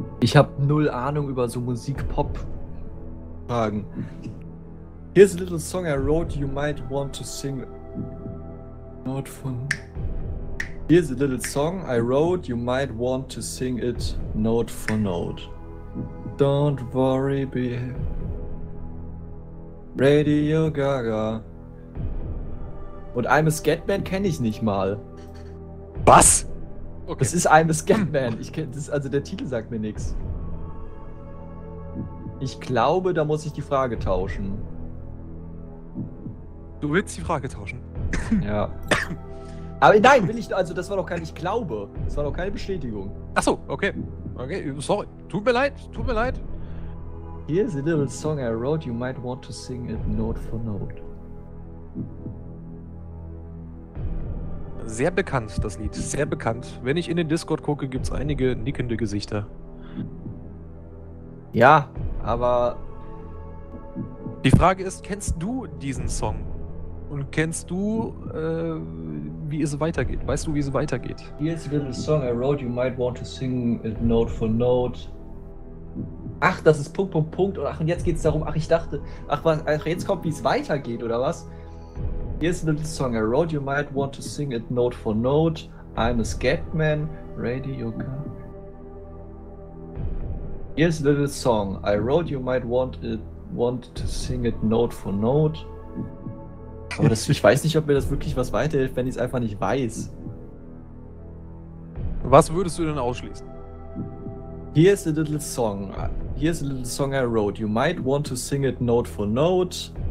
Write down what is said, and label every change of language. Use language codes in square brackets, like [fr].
[de] Ich habe null Ahnung über so Musik-Pop-Fragen. [en] Here's a little song I wrote, you might want to sing. Not for. Here's a little song I wrote, you might want to sing it note for note. Don't worry, be. Radio Gaga. [de] Und I'm a Scatman kenne ich nicht mal. Was? Okay. Das ist I'm a Scatman. Ich kenne das, also der Titel sagt mir nichts. Ich glaube, da muss ich die Frage tauschen. Du willst die Frage tauschen? Ja. Aber nein, will ich, also das war doch kein, ich glaube. Das war doch keine Bestätigung. Achso, okay. Sorry. Tut mir leid. [en] Here's a little song I wrote, you might want to sing it note for note. [de] Sehr bekannt, das Lied. Sehr bekannt. Wenn ich in den Discord gucke, gibt's einige nickende Gesichter. Ja, aber die Frage ist, kennst du diesen Song? Und kennst du, wie es weitergeht? Weißt du, wie es weitergeht? [en] Here's a little song I wrote, you might want to sing it note for note. [de] Ach, das ist Punkt, Punkt, Punkt. Und ach, und jetzt geht's darum, ach, ich dachte, ach, was, ach, jetzt kommt, wie es weitergeht, oder was? [en] Here's the little song I wrote. You might want to sing it note for note. I'm a Scatman. Radio car. Here's a little song I wrote. You might want to sing it note for note. [de] Aber das, ich weiß nicht, ob mir das wirklich was weiterhilft, wenn ich es einfach nicht weiß. Was würdest du denn ausschließen? [en] Here's a little song I wrote. You might want to sing it note for note.